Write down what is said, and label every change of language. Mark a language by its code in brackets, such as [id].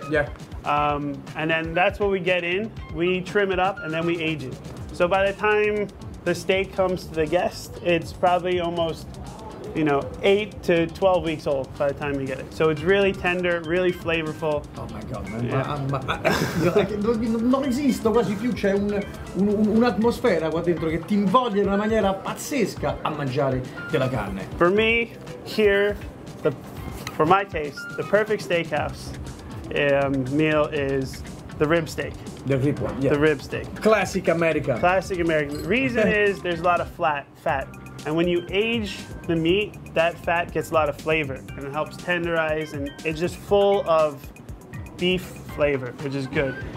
[en] Yeah. And then that's what we get in. We trim it up and then we age it. So by the time the steak comes to the guest, it's probably almost, you know, 8 to 12 weeks old by the time you get it. So it's really tender, really flavorful. Oh my God, man. [it] Non esisto quasi più, c'è un'atmosfera qua dentro che ti invoglia in una maniera pazzesca a mangiare della carne. [en] For me, here, for my taste, the perfect steakhouse meal is the rib steak. The rib one, yeah. The rib steak. Classic American. Classic American. The reason is there's a lot of fat. And when you age the meat, that fat gets a lot of flavor and it helps tenderize, and it's just full of beef flavor, which is good.